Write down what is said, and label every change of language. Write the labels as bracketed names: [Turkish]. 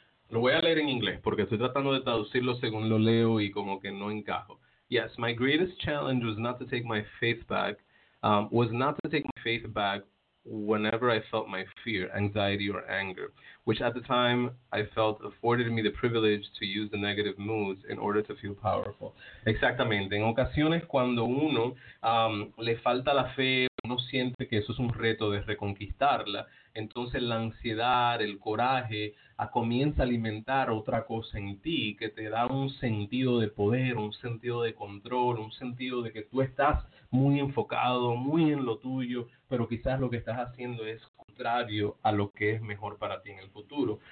[Spanish] Lo voy a leer en inglés porque estoy tratando de traducirlo según lo leo y como que no encajo. [English] Yes, my greatest challenge was not to take my faith back, whenever I felt my fear, anxiety, or anger, which at the time I felt afforded me the privilege to use the negative moods in order to feel powerful. [Spanish] Exactamente. En ocasiones cuando uno le falta la fe, uno siente que eso es un reto de reconquistarla, entonces la ansiedad, el coraje, comienza a alimentar otra cosa en ti que te da un sentido de poder, un sentido de control, un sentido de que tú estás muy enfocado, muy en lo tuyo, pero quizás lo que estás haciendo es contrario a lo que es mejor para ti en el futuro.